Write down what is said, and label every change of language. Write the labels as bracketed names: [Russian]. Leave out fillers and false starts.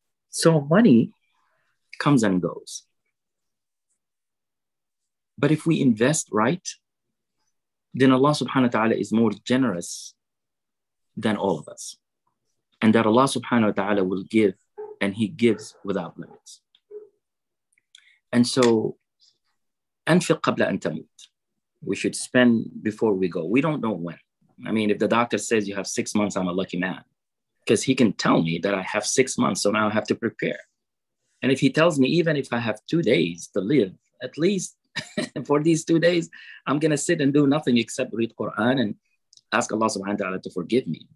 [English] So money comes and goes. But if we invest right, then Allah subhanahu wa ta'ala is more generous than all of us. And that Allah subhanahu wa ta'ala will give, and He gives without limits. And so, [Arabic] أنفق قبل أن تموت. [English] We should spend before we go. We don't know when. I mean, if the doctor says you have 6 months, I'm a lucky man. Because he can tell me that I have 6 months, so now I have to prepare. And if he tells me, even if I have 2 days to live, at least for these 2 days, I'm going to sit and do nothing except read Quran and ask Allah subhanahu wa ta'ala to forgive me.